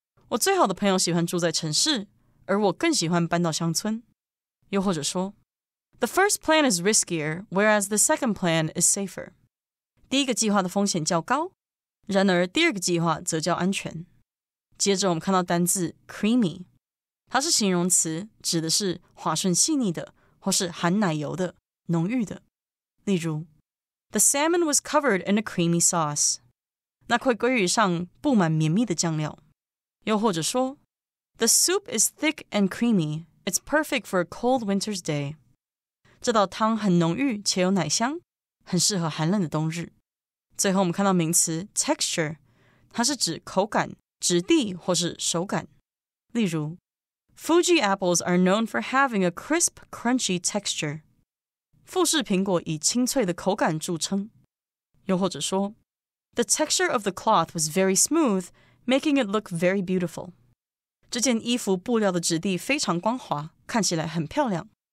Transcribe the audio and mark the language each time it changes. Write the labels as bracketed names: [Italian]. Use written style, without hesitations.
[Chinese] 我最好的朋友喜欢住在城市，而我更喜欢搬到乡村。又或者说 [English] The first plan is riskier, whereas the second plan is safer. [Chinese] 第一个计划的风险较高，然而第二个计划则较安全。接着我们看到单字 creamy， 它是形容词，指的是滑顺细腻的，或是含奶油的，浓郁的。例如 [English] The salmon was covered in a creamy sauce. [Chinese] 那块鲑鱼上布满绵密的酱料。又或者说 [English] The soup is thick and creamy. It's perfect for a cold winter's day. [Chinese] 这道汤很浓郁且有奶香，很适合寒冷的冬日。最后我们看到名词 texture， 它是指口感、质地或是手感。例如 [English] Fuji apples are known for having a crisp, crunchy texture. [Chinese] 富士苹果以清脆的口感著称。又或者说 [English] The texture of the cloth was very smooth, making it look very beautiful. [Chinese] 这件衣服布料的质地非常光滑，看起来很漂亮。